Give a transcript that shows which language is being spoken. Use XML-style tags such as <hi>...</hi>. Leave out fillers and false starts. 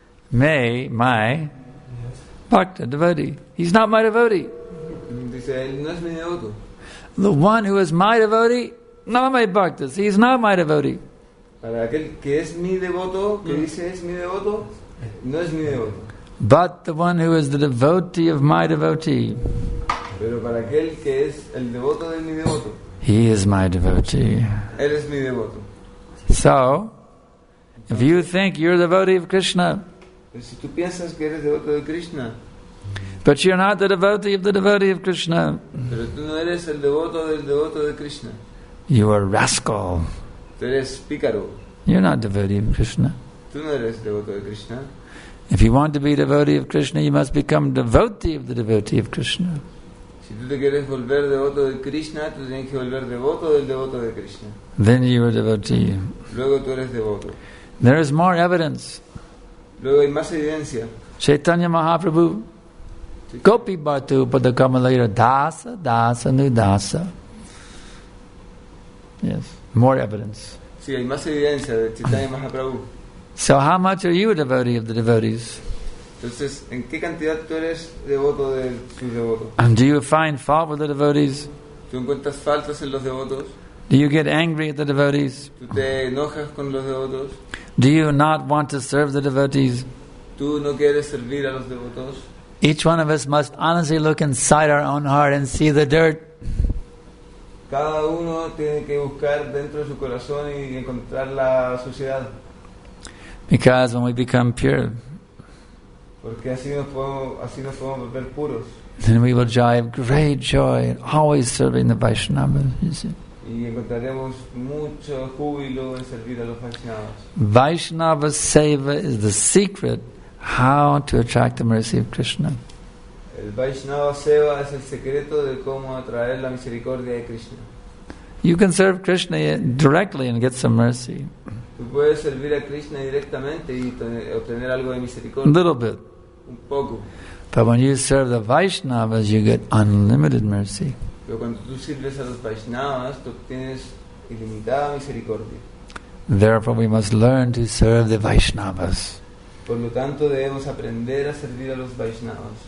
<en>Me, my. Bhakta, devotee. He's not my devotee.</en> <es>Dice, él no es mi devoto.</es> <en>The one who is my devotee, Name Bhaktas. He's not my devotee.</en> <es>Para aquel que es mi devoto, que dice es mi devoto, no es mi devoto.</es> <en>But the one who is the devotee of my devotee.</en> <es>Pero para aquel que es el devoto de mi devoto.</es> <en>He is my devotee.</en> <es>Él es mi devoto.</es> <en>So, if you think you're the devotee of Krishna,</en> <es>pero si tú piensas que eres devoto de Krishna,</es> <en>but you're not the devotee of the devotee of Krishna.</en> <es>Pero tú no eres el devoto del devoto de Krishna.</es> <en>You are a rascal.</en> <es>Tú eres pícaro.</es> <en>You're not devotee of Krishna.</en> <es>Tú no eres devoto de Krishna.</es> <en>If you want to be devotee of Krishna, you must become devotee of the devotee of Krishna.</en> <es>Si tú te quieres volver devoto de Krishna, tú tienes que volver devoto del devoto de Krishna.</es> <en>Then you are devotee.</en> <es>Luego tú eres devoto.</es> <en>There is more evidence.</en> <es>Luego hay más evidencia.</es> <sa>Chaitanya Mahaprabhu. Gopi Bhattu Padakamalaya Dasa Dasa Nudasa.</sa> <en>Yes, more evidence.</en> <es>Sí, hay más evidencia de Chaitanya Mahaprabhu.</es> <en>So how much are you a devotee of the devotees?</en> <es>Entonces, ¿en qué cantidad tú eres devoto de sus devotos?</es> <en>And do you find fault with the devotees?</en> <es>¿Tú encuentras faltas en los devotos?</es> <en>Do you get angry at the devotees?</en> <es>¿Tú te enojas con los devotos?</es> <en>Do you not want to serve the devotees?</en> <es>¿Tú no quieres servir a los devotos?</es> <en>Each one of us must honestly look inside our own heart and see the dirt.</en> <es>Cada uno tiene que buscar dentro de su corazón y encontrar la suciedad.</es> <en>Because when we become pure,</en> <es>porque así nos podemos volver puros.</es> <en>Then we will have great joy in always serving the Vaishnavas.</en> <es>Y encontraremos mucho júbilo en servir a los Vaishnavas.</es> <en>Vaishnava seva is the secret how to attract the mercy of Krishna.</en> <es>El Vaishnava seva es el secreto de cómo atraer la misericordia de Krishna.</es> <en>You can serve Krishna directly and get some mercy.</en> <es>Tú puedes servir a Krishna directamente y obtener algo de misericordia.</es> <en>A little bit.</en> <es>Un poco.</es> <en>But when you serve the Vaishnavas, you get unlimited mercy.</en> <es>Pero cuando tú sirves a los Vaishnavas, tú obtienes ilimitada misericordia.</es> <en>Therefore, we must learn to serve the Vaishnavas.</en> <es>Por lo tanto, debemos aprender a servir a los Vaishnavas.</es>